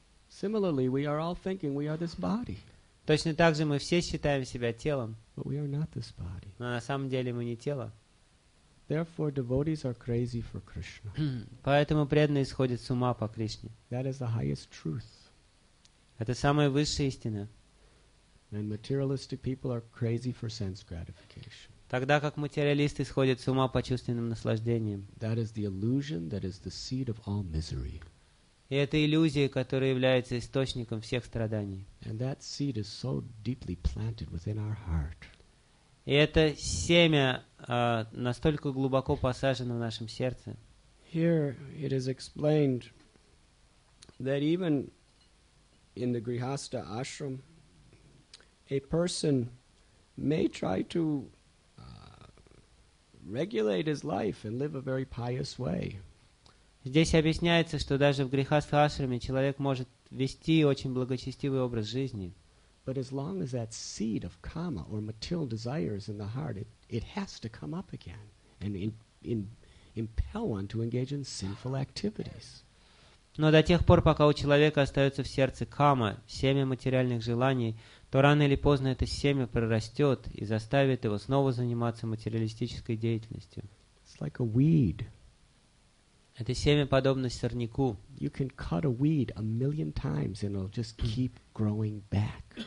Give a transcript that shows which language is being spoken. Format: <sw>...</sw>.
<en>Similarly, we are all thinking we are this body.</en> <ru>Точно так же мы все считаем себя телом.</ru> <en>But we are not this body.</en> <ru>Но на самом деле мы не тело.</ru> <en>Therefore, devotees are crazy for Krishna.</en> <ru>Поэтому преданные сходят с ума по Кришне.</ru> <en>That is the highest truth.</en> <ru>Это самая высшая истина.</ru> <en>And materialistic people are crazy for sense gratification.</en> <ru>Тогда как материалисты сходят с ума по чувственным наслаждениям.</ru> <en>That is the illusion that is the seed of all misery.</en> <ru>И это иллюзия, которая является источником всех страданий.</ru> <en>And that seed is so deeply planted within our heart.</en> <ru>И это семя настолько глубоко посажено в нашем сердце.</ru> <en>Here it is explained that even in the Grihastha ashram, a person may try to regulate his life and live a very pious way.</en> <ru>Здесь объясняется, что даже в грехастха ашраме человек может вести очень благочестивый образ жизни.</ru> <en>But as long as that seed of kama or material desire is in the heart, it has to come up again and impel one to engage in sinful activities.</en> <ru>Но до тех пор, пока у человека остается в сердце кама, семя материальных желаний, то рано или поздно это семя прорастет и заставит его снова заниматься материалистической деятельностью.</ru> <en>It's like a weed.</en> <ru>Это семя подобно сорняку.</ru> <en>You can cut a weed a million times and it'll just keep growing back.</en>